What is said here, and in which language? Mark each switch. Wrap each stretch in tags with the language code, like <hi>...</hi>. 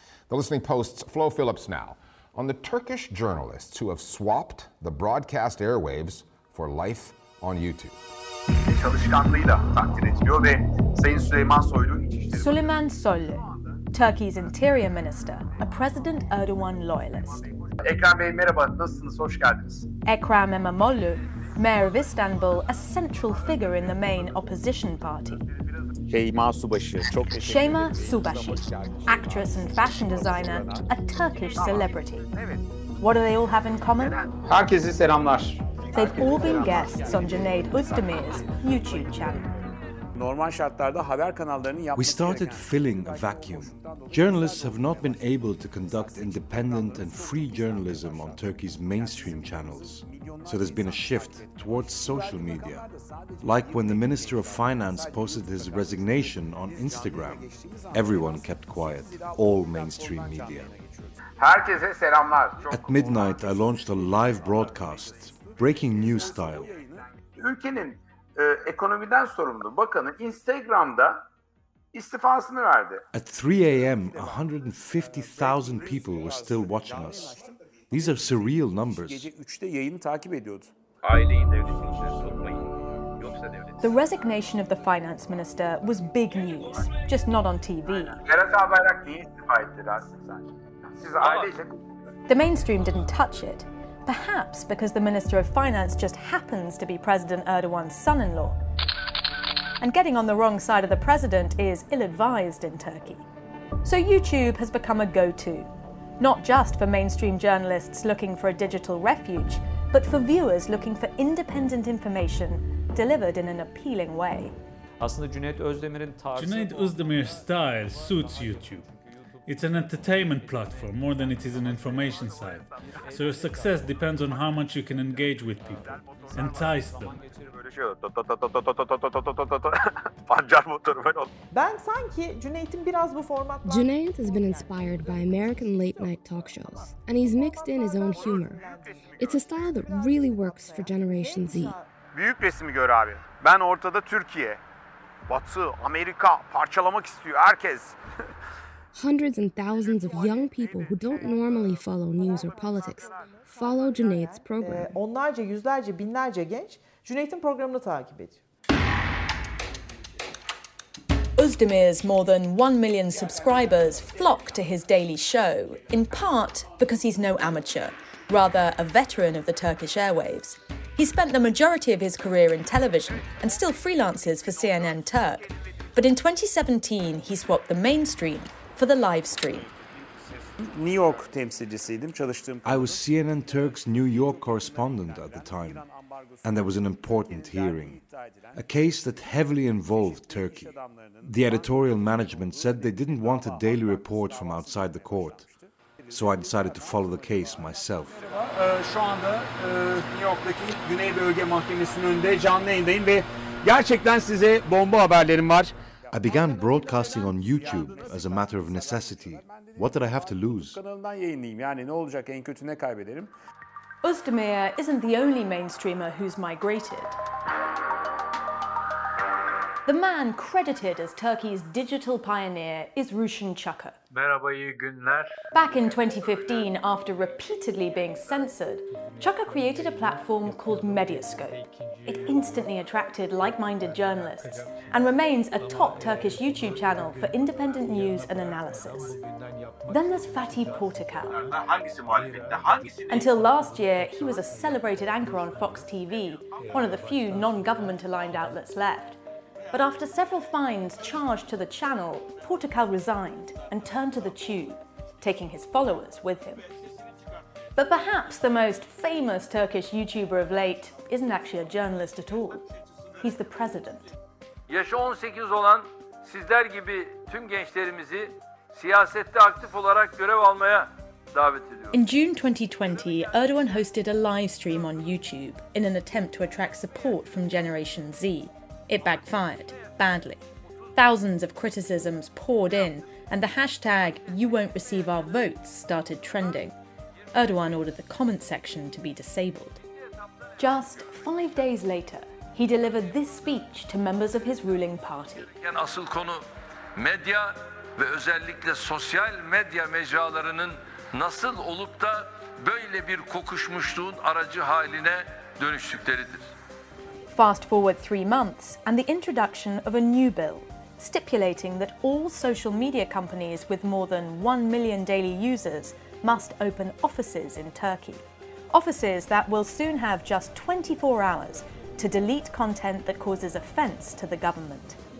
<en>The Listening Post's Flo Phillips now on the Turkish journalists who have swapped the broadcast airwaves for life on YouTube. Süleyman Soylu, Turkey's interior minister, a President Erdogan loyalist.</en> <tr>Ekrem Bey, merhaba, nasılsınız, hoş geldiniz.</tr> <en>Ekrem İmamoğlu, mayor of Istanbul, a central figure in the main opposition party.</en> <tr>Şeyma Subaşı, çok teşekkür</tr> <en>Şeyma Subaşı, actress and fashion designer, a Turkish celebrity. What do they all have in common?</en> <tr>Herkese selamlar.</tr> <en>They've all been guests on Cüneyt Özdemir's YouTube channel.</en> <tr>Normal şartlarda haber kanallarının yapması gereken...</tr> <en>We started filling a vacuum. Journalists have not been able to conduct independent and free journalism on Turkey's mainstream channels. So there's been a shift towards social media. Like when the Minister of Finance posted his resignation on Instagram. Everyone kept quiet. All mainstream media.</en> <tr>Herkese selamlar.</tr> <en>At midnight I launched a live broadcast, breaking news style.</en> <tr>Ülkenin ekonomiden sorumlu bakanın Instagram'da istifasını verdi.</tr> <en>At 3 a.m. 150,000 people were still watching us. These are surreal numbers.</en> <tr>Gece 3'te yayını takip ediyordu. Aileyi devletin içine sokmayın. Yoksa devlet.</tr> <en>The resignation of the finance minister was big news, just not on TV.</en> <tr>Yerel haberler niye istifa ettiler sizden? Siz ailece...</tr> <en>The mainstream didn't touch it. Perhaps because the Minister of Finance just happens to be President Erdogan's son-in-law. And getting on the wrong side of the president is ill-advised in Turkey. So YouTube has become a go-to, not just for mainstream journalists looking for a digital refuge, but for viewers looking for independent information delivered in an appealing way. Cüneyt Özdemir's style suits YouTube. It's an entertainment platform more than it is an information site. So your success depends on how much you can engage with people, entice them. Cüneyt has been inspired by American late-night talk shows, and he's mixed in his own humor. It's a style that really works for Generation Z.</en> <tr>Büyük resmi gör abi. Ben ortada Türkiye, Batı, Amerika parçalamak istiyor herkes.</tr> <en>Hundreds and thousands of young people who don't normally follow news or politics follow Cüneyt's program.</en> <tr>Onlarca, yüzlerce, binlerce genç Cüneyt'in programını takip ediyor.</tr> <en>Özdemir's more than 1 million subscribers flock to his daily show, in part because he's no amateur, rather a veteran of the Turkish airwaves. He spent the majority of his career in television and still freelances for CNN Turk. But in 2017, he swapped the mainstream for the live stream.</en> <tr>New York temsilcisiydim, çalıştığım.</tr> <en>I was CNN Turk's New York correspondent at the time, and there was an important hearing, a case that heavily involved Turkey. The editorial management said they didn't want a daily report from outside the court, so I decided to follow the case myself.</en> <tr>Şu anda New York'taki Güney Bölge Mahkemesi'nin önünde canlı yayındayım ve gerçekten size bomba haberlerim var.</tr> <en>I began broadcasting on YouTube as a matter of necessity. What did I have to lose? Özdemir isn't the only mainstreamer who's migrated. The man credited as Turkey's digital pioneer is Ruşen Çakır.</en> <tr>Merhaba, iyi günler.</tr> <en>Back in 2015, after repeatedly being censored, Çakır created a platform called Medyascope. It instantly attracted like-minded journalists and remains a top Turkish YouTube channel for independent news and analysis. Then there's Fatih Portakal. Until last year, he was a celebrated anchor on Fox TV, one of the few non-government-aligned outlets left. But after several fines charged to the channel, Portakal resigned and turned to the tube, taking his followers with him. But perhaps the most famous Turkish YouTuber of late isn't actually a journalist at all. He's the president.</en> <tr>Yaşı 18 olan sizler gibi tüm gençlerimizi siyasette aktif olarak görev almaya</tr> <en>In June 2020, Erdogan hosted a live stream on YouTube in an attempt to attract support from Generation Z. It backfired, badly. Thousands of criticisms poured in, and the hashtag #YouWon'tReceiveOurVotes started trending. Erdogan ordered the comment section to be disabled. Just 5 days later, he delivered this speech to members of his ruling party.</en> <tr>Asıl konu medya ve özellikle sosyal medya mecralarının nasıl olup da böyle bir kokuşmuşluğun aracı haline dönüştükleridir.</tr> <en>Fast forward 3 months and the introduction of a new bill stipulating that all social media companies with more than 1 million daily users must open offices in Turkey. Offices that will soon have just 24 hours to delete content that causes offense to the government.</en>